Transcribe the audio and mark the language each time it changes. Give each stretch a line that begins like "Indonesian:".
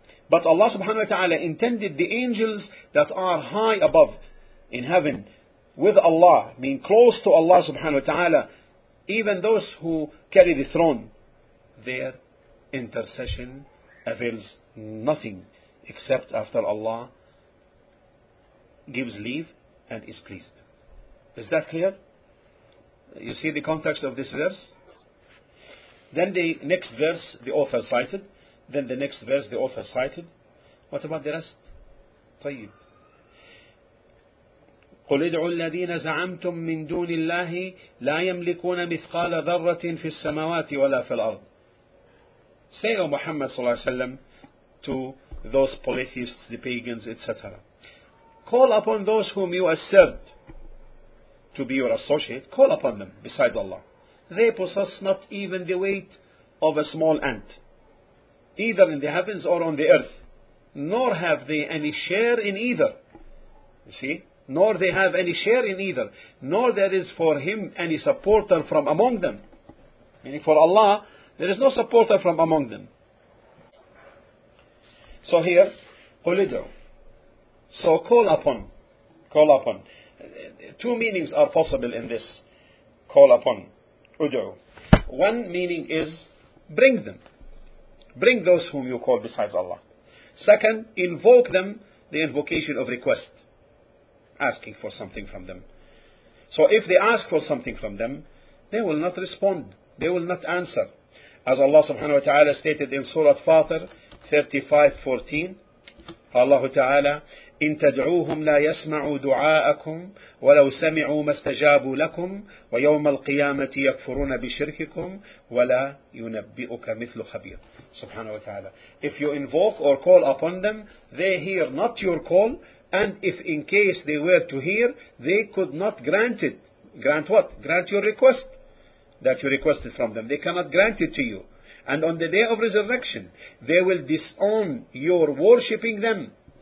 English: But Allah subhanahu wa ta'ala intended the angels that are high above in heaven with Allah, mean close to Allah subhanahu wa ta'ala, even those who carry the throne, their intercession avails nothing except after Allah gives leave and is pleased. Is that clear? You see the context of this verse? Then the next verse the author cited. Then the next verse the author cited. What about the rest? طيب.
Arabic: قل ادعوا الذين زعمتم من دون الله لا يملكون مثقال ذرة في السماوات ولا في الأرض.
English: Say, O Muhammad
Arabic: صلى الله عليه وسلم,
English: to those polytheists, the pagans, etc. Call upon those whom you assert to be your associate. Call upon them besides Allah. They possess not even the weight of a small ant, either in the heavens or on the earth, nor have they any share in either. You see? Nor they have any share in either, nor there is for him any supporter from among them. Meaning for Allah, there is no supporter from among them. So here,
Arabic: قُلْ ادْعُوا.
English: So call upon. Call upon. Two meanings are possible in this. Call upon. ادعو. One meaning is bring them. Bring those whom you call besides Allah. Second, invoke them, the invocation of request, asking for something from them. So if they ask for something from them, they will not respond. They will not answer. As Allah subhanahu wa ta'ala stated in Surah Fatir 35:14, Allah ta'ala,
Arabic: إن تدعوهم لا يسمعوا دعاءكم ولو سمعوا ما استجابوا لكم ويوم القيامة يكفرون بشرككم ولا ينبئك مثل خبير. سبحانه وتعالى.
English: If you invoke or call upon them, they hear not your call, and if in case they were to hear, they could not grant it. Grant what? Grant your request that you requested from them. They cannot grant it to you. And on the day of resurrection, they will disown your worshipping them.